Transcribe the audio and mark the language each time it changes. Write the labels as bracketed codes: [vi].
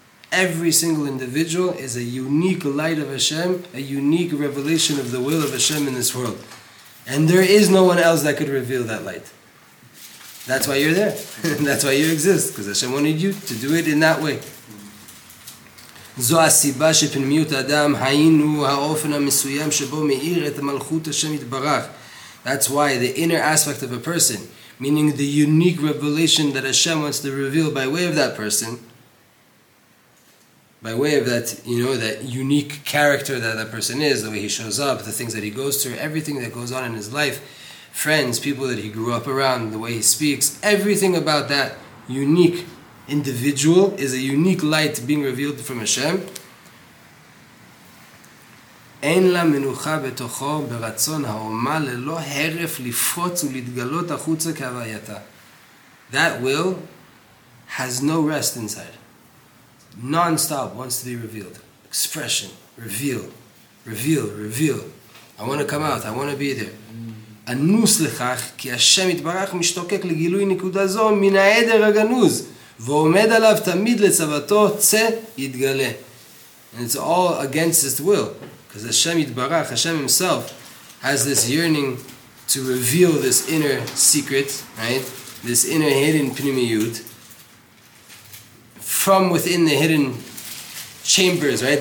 [en] Every single individual is a unique light of Hashem, a unique revelation of the will of Hashem in this world. And there is no one else that could reveal that light. That's why you're there. That's why you exist, because Hashem wanted you to do it in that way. [he] זו הסיבה שפנימיות האדם היינו האופן המסוים שבו מאיר את המלכות השם יתברך. [en] That's why the inner aspect of a person, meaning the unique revelation that Hashem wants to reveal by way of that person, by way of that, you know, that unique character that that person is, the way he shows up, the things that he goes through, everything that goes on in his life, friends, people that he grew up around, the way he speaks, everything about that unique individual is a unique light being revealed from Hashem. [he] אין לה מנוחה בתוכו ברצון האומה ללא הרף לפוץ ולהתגלות החוצה כהווייתה. [en] That will has no rest inside. Non-stop wants to be revealed. Expression. Reveal. Reveal. Reveal. I want to come out. I want to be there. [he] אנוס לכך כי השם יתברך משתוקק לגילוי נקודה זו מן העדר הגנוז ועומד עליו תמיד לצוותו צה יתגלה. [en] And it's all against his will. Because Hashem Yitbarach, Hashem Himself, has this yearning to reveal this inner secret, right? This inner hidden pnimiyut from within the hidden chambers, right?